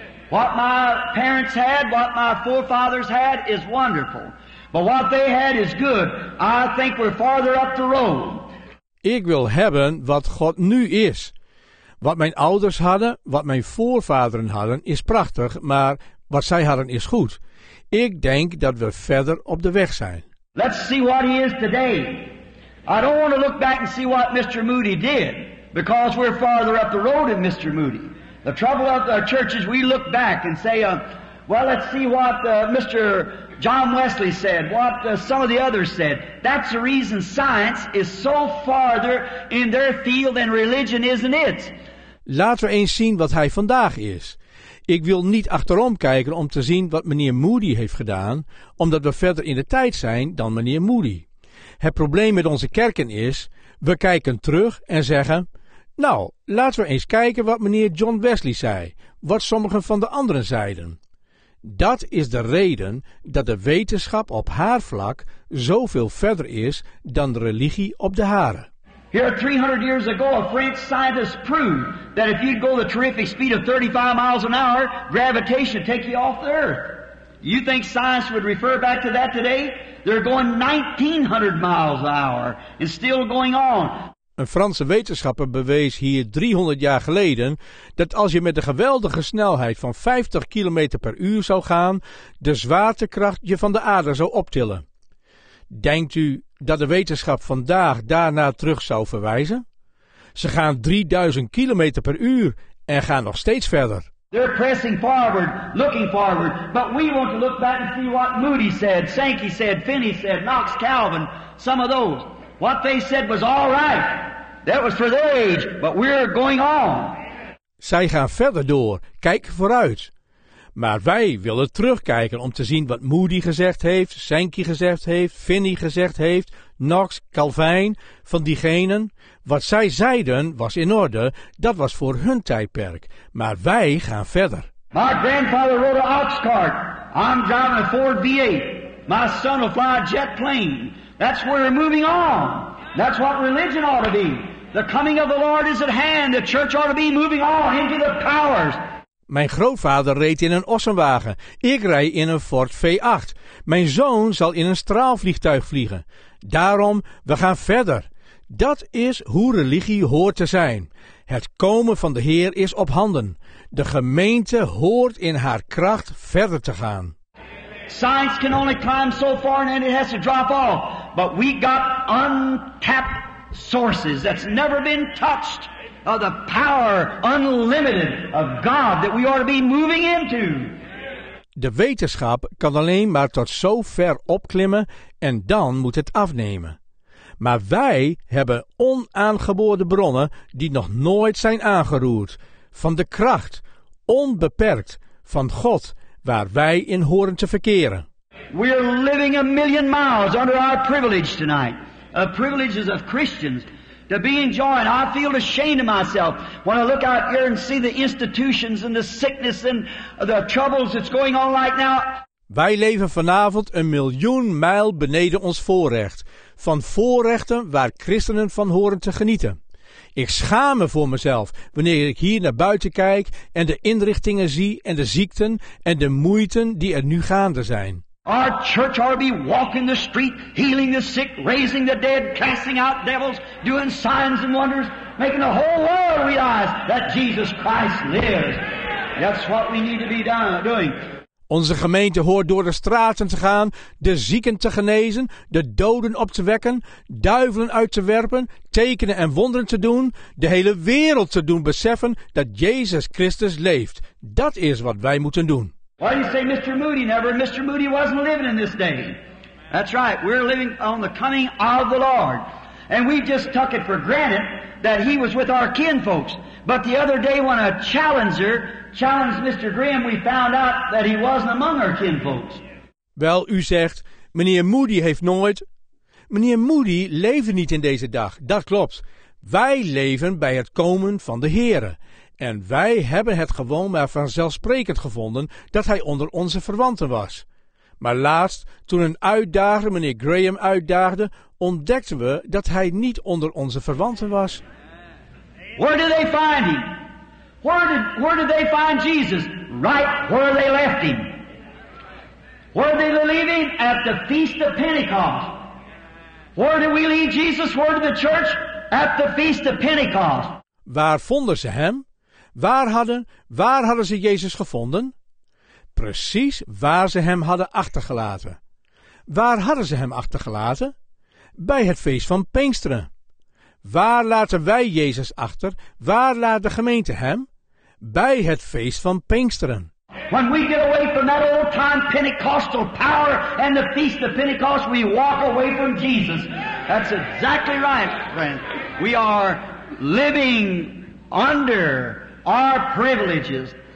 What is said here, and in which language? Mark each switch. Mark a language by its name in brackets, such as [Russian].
[English] What my parents had, what my forefathers had, is wonderful. But what they had is good. I think we're farther up the road. [Dutch] Ik wil hebben wat God nu is. Wat mijn ouders hadden, wat mijn voorvaderen hadden, is prachtig, maar wat zij hadden is goed. Ik denk dat we verder op de weg zijn. [English] Let's see what he is today. I don't want to look back and see what Mr. Moody did, because we're farther up the road than Mr. Moody. The trouble of the church is we look back and say, well, let's see what Mr. John Wesley said, what some of the others said. That's the reason science is so farther in their field than religion, isn't it? [Dutch] Laten we eens zien wat hij vandaag is. Ik wil niet achterom kijken om te zien wat meneer Moody heeft gedaan, omdat we verder in de tijd zijn dan meneer Moody. Het probleem met onze kerken is, we kijken terug en zeggen, nou, laten we eens kijken wat meneer John Wesley zei, wat sommigen van de anderen zeiden. Dat is de reden dat de wetenschap op haar vlak zoveel verder is dan de religie op de hare. [English] Here 300 years ago a French scientist proved that if you go the terrific speed of 35 miles an hour, gravitation would take you off the earth. You think science would refer back to that today? They're going 1900 miles an hour and still going on. [Dutch] Een Franse wetenschapper bewees hier 300 jaar geleden dat als je met een geweldige snelheid van 50 km per uur zou gaan, de zwaartekracht je van de aarde zou optillen. Denkt u dat de wetenschap vandaag daarna terug zou verwijzen? Ze gaan 3000 km per uur en gaan nog steeds verder. [English] They're pressing forward, looking forward, but we want to look back and see what Moody said, Sankey said, Finney said, Knox, Calvin, some of those. What they said was all right. That was for their age, but we're going on. [Dutch] Zij gaan verder door, kijken vooruit. Maar wij willen terugkijken om te zien wat Moody gezegd heeft, Sankey gezegd heeft, Finney gezegd heeft, Knox, Calvin, van diegenen. Wat zij zeiden was in orde, dat was voor hun tijdperk. Maar wij gaan verder. [English] My grandfather rode an ox cart. I'm driving a Ford V8. My son will fly a jet plane. That's where we're moving on. That's what religion ought to be. The coming of the Lord is at hand. The church ought to be moving on into the powers. [Dutch] Mijn grootvader reed in een ossenwagen. Ik rij in een Ford V8. Mijn zoon zal in een straalvliegtuig vliegen. Daarom, we gaan verder. Dat is hoe religie hoort te zijn. Het komen van de Heer is op handen. De gemeente hoort in haar kracht verder te gaan. [English] Science can only climb so far and it has to drop off. But we got untapped sources that's never been touched of the power unlimited of God that we ought to be moving into. [Dutch] De wetenschap kan alleen maar tot zo ver opklimmen en dan moet het afnemen. Maar wij hebben onaangeboren bronnen die nog nooit zijn aangeroerd. Van de kracht, onbeperkt, van God, waar wij in horen te verkeren. [English] We're living a million miles under our privilege tonight. A privileges of Christians to be enjoying. I feel ashamed of myself when I look out here and see the institutions and the sickness and the troubles that's going on right now. [Dutch] Wij leven vanavond een miljoen mijl beneden ons voorrecht. Van voorrechten waar christenen van horen te genieten. Ik schaam me voor mezelf wanneer ik hier naar buiten kijk en de inrichtingen zie en de ziekten en de moeiten die er nu gaande zijn. [English] Our church ought to be walking the street, healing the sick, raising the dead, casting out devils, doing signs and wonders, making the whole world realize that Jesus Christ lives. That's what we need to be doing. [Dutch] Onze gemeente hoort door de straten te gaan, de zieken te genezen, de doden op te wekken, duivelen uit te werpen, tekenen en wonderen te doen, de hele wereld te doen beseffen dat Jezus Christus leeft. Dat is wat wij moeten doen. [English] Why do you say Mr. Moody never? Mr. Moody wasn't living in this day. That's right, we're living on the coming of the Lord. And we just took it for granted that he was with our kinfolks. But the other day when a challenger challenged Mr. Graham, we found out that he wasn't among our kinfolks. [Dutch] Wel, u zegt, meneer Moody heeft nooit... Meneer Moody leefde niet in deze dag, dat klopt. Wij leven bij het komen van de Heere. En wij hebben het gewoon maar vanzelfsprekend gevonden dat hij onder onze verwanten was. Maar laatst, toen een uitdager meneer Graham uitdaagde, ontdekten we dat hij niet onder onze verwanten was. [English] Where did they find him? Where did they find Jesus? Right where they left him. Where did they leave him? At the feast of Pentecost. Where did we leave Jesus? Where did the church? At the feast of Pentecost. [Dutch] Waar vonden ze hem? Waar hadden ze Jezus gevonden? Precies waar ze hem hadden achtergelaten. Waar hadden ze hem achtergelaten? Bij het feest van Pinksteren. Waar laten wij Jezus achter? Waar laat de gemeente hem? Bij het feest van Pinksteren. [English] When we get away from that old time Pentecostal power and the feast of Pentecost, we walk away from Jesus. That's exactly right, friend. We are living under our privileges.